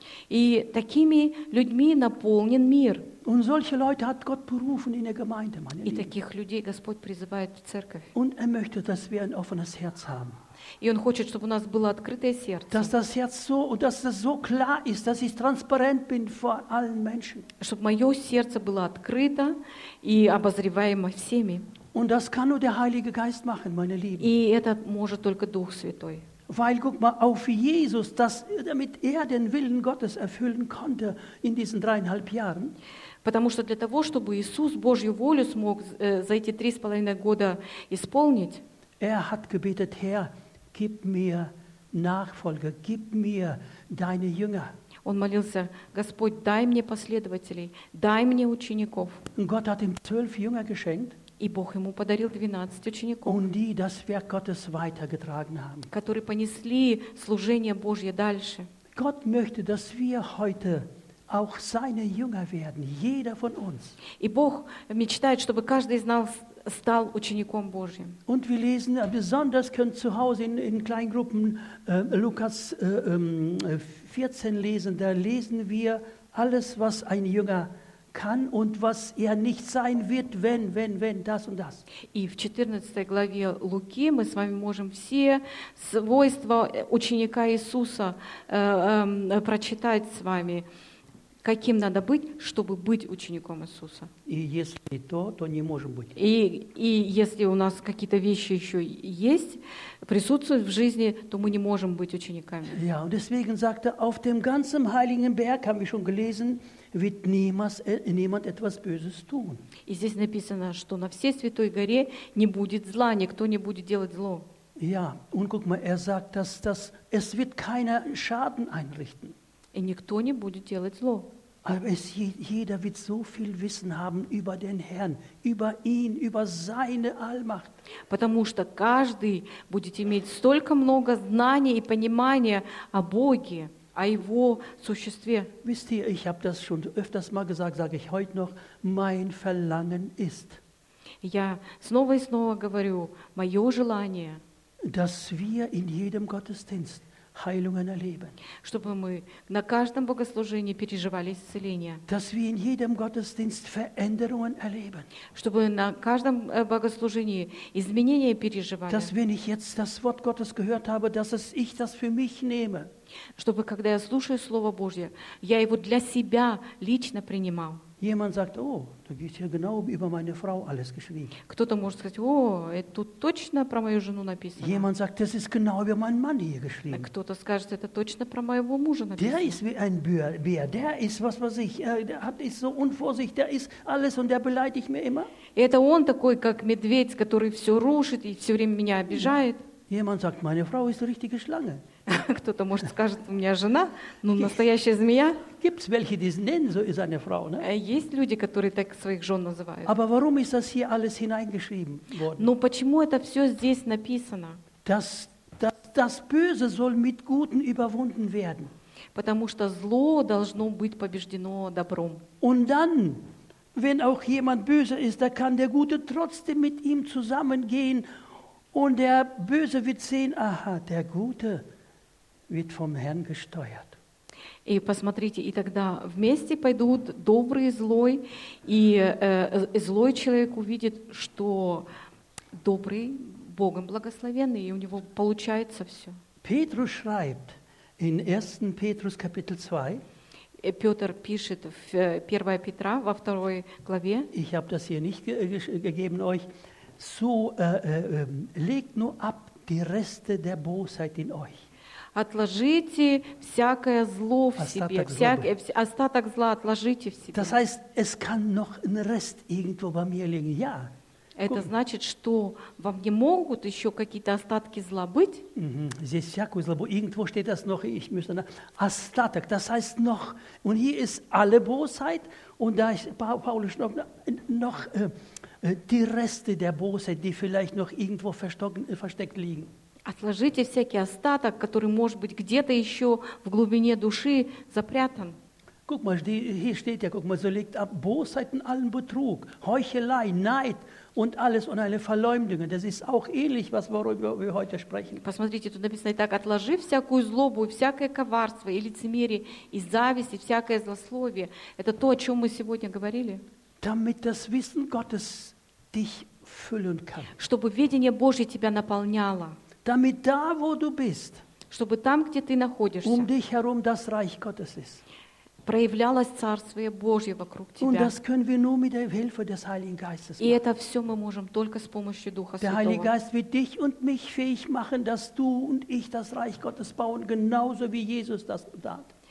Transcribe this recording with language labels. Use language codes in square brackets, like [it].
[ru] И такими людьми наполнен мир. [de] Und solche Leute hat Gott berufen in der Gemeinde, meine Lieben. [ru] И таких людей Господь призывает в церковь. [de] Und er möchte, dass wir ein offenes Herz haben. [ru] И он хочет, чтобы у нас было открытое сердце. [de] Dass das Herz so klar ist, dass ich transparent bin vor allen Menschen. [ru] Чтобы мое сердце было открыто и обозреваемо всеми. [de] Und das kann nur der Heilige Geist machen, meine Lieben. [ru] И это может только Дух Святой. [de] Weil, guck mal, auf Jesus, damit er den Willen Gottes erfüllen konnte in diesen 3,5 Jahren. [ru] Потому что для того, чтобы Иисус Божью волю смог за эти 3,5 года исполнить, [de] er hat gebetet, Herr, gib mir Nachfolger, gib mir deine Jünger. [ru] Он молился, Господь, дай мне последователей, дай мне учеников. [de] Und Gott hat ihm 12 Jünger geschenkt. [ru] И Бог ему подарил 12 учеников. [de] Und die das Werk Gottes weitergetragen haben. [ru] Которые понесли служение Божье дальше. [de] Gott möchte, dass wir heute auch seine Jünger werden, jeder von uns. [ru] И Бог мечтает, чтобы каждый из нас стал учеником Божьим. [de] Und wir lesen besonders können zu Hause in kleinen Gruppen Lukas 14 lesen. Da lesen wir alles, was ein Jünger kann und was er nicht sein wird, wenn das und das. [ru] И в 14 главе Луки мы с вами можем все свойства ученика Иисуса прочитать с вами. Каким надо быть, чтобы быть учеником Иисуса? И если то не можем быть. И если у нас какие-то вещи еще есть, присутствуют в жизни, то мы не можем быть учениками. [de] Ja, und deswegen sagte, auf dem ganzen heiligen Berg, haben wir schon gelesen, wird niemand etwas Böses tun. [ru] И здесь написано, что на всей святой горе не будет зла, никто не будет делать зло. [de] Ja, und guck mal, er sagt, dass es wird keiner Schaden einrichten. [ru] И никто не будет делать зло. [de] Jeder wird so viel Wissen haben über den Herrn, über ihn, über seine Allmacht. [ru] Потому что каждый будет иметь столько много знаний и понимания о Боге, о его существе. [de] Wisst ihr, ich habe das schon öfters mal gesagt, sage ich heute noch, mein Verlangen ist. [ru] Я снова и снова говорю, мое желание, [de] dass wir in jedem Gottesdienst Heilungen erleben. [ru] Чтобы мы на каждом богослужении переживали исцеление. [de] Dass wir in jedem Gottesdienst Veränderungen erleben. [ru] Чтобы на каждом богослужении изменения переживали. [de] Dass wenn ich jetzt das Wort Gottes gehört habe, dass es ich das für mich nehme. [ru] Чтобы когда я слушаю Слово Божье, я его для себя лично принимал. [de] Jemand sagt, oh, da geht ja genau über meine Frau alles geschrieben. [ru] Кто-то может сказать, о, это точно про мою жену написано. [de] Jemand sagt, das ist genau über meinen Mann hier geschrieben. [ru] Кто-то скажет, это точно про моего мужа написано. [de] Der ist wie ein Bär, der ist was weiß ich, der hat ist so unvorsichtig, der ist alles und der beleidigt mich immer. [ru] И это он такой, как медведь, который все рушит и все время меня обижает. [de] Jemand sagt, meine Frau ist eine richtige Schlange. [ru] Кто-то может скажет, у меня жена, ну настоящая змея. [de] Gibt's welche, die nennen so seine Frau, ne? [ru] Есть люди, которые так своих жен называют. [de] Aber warum ist das hier alles hineingeschrieben worden? [ru] Но почему это все здесь написано? [de] Das Böse soll mit Guten überwunden werden. [ru] Потому что зло должно быть побеждено добром. [de] Und dann, wenn auch jemand böse ist, da kann der Gute trotzdem mit ihm zusammengehen und der Böse wird sehen, aha, der Gute wird vom Herrn gesteuert. [ru] И посмотрите, и тогда вместе пойдут добрый и злой, и злой человек увидит, что добрый, Богом благословенный, и у него получается все. [de] Петрус schreibt in 1. Petrus Kapitel 2. [ru] Петр пишет в 1 Петра во второй главе. [de] Ich habe das hier nicht gegeben euch. So legt nur ab die Reste der Bosheit in euch. [ru] Отложите всякое зло в себе, остаток зла отложите в себе. [de] Das heißt, es kann noch ein Rest irgendwo bei mir liegen. Ja. [ru] Это значит, что во мне могут еще какие-то остатки зла быть? Здесь всякую злобу. [de] Irgendwo steht das noch, ich müsste noch. Остаток, das heißt noch. Und hier ist alle Bosheit. Und da ist Paulus noch die Reste der Bosheit, die vielleicht noch irgendwo versteckt liegen. [ru] Отложите всякий остаток, который, может быть, где-то еще в глубине души запрятан. [de] Guck mal, hier steht ja, guck mal, so legt ab Bosheit und allen Betrug, Heuchelei, Neid und alles und alle Verleumdungen. Das ist auch ähnlich, was worüber wir heute sprechen. [ru] Посмотрите, тут написано так: отложи всякую злобу, всякое коварство и лицемерие, и зависть, и всякое злословие. Это то, о чем мы сегодня говорили. [de] Damit das Wissen Gottes dich füllen kann. [ru] Чтобы ведение Божье тебя наполняло. [de] Damit da, wo du bist, [ru] чтобы там, где ты находишься, [de] dich herum das Reich Gottes ist. [ru] Проявлялось Царствие Божье вокруг тебя. [de] Und das können wir nur mit der Hilfe des Heiligen Geistes machen. [ru] И это все мы можем только с помощью Духа Святого. [de] Der Heilige Geist wird dich und mich fähig machen, dass du und ich das Reich Gottes bauen, genauso wie Jesus das tat.